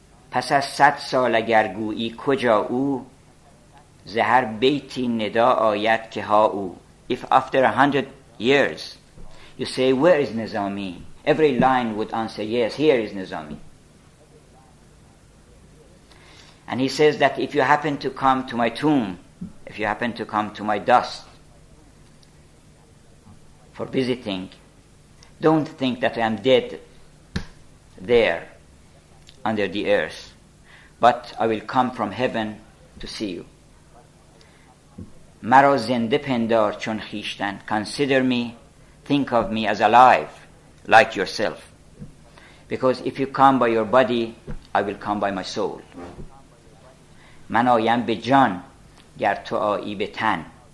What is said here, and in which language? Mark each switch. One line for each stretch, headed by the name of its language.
Persian: پس از صد سال اگر گویی کجا او، زهر بیتی ندا آید که ها او.
English: If after 100 years you say where is Nizami, Every line would answer, yes, here is Nozomi. And he says that if you happen to come to my tomb, if you happen to come to my dust for visiting, don't think that I am dead there under the earth, but I will come from heaven to see you.
Persian: مرا زنده پندار چون خیشتن.
English: Consider me, think of me as alive, like yourself. Because if you come by your body, I will come by my soul.
Persian: من آیم به جان گر تو آیی به تن.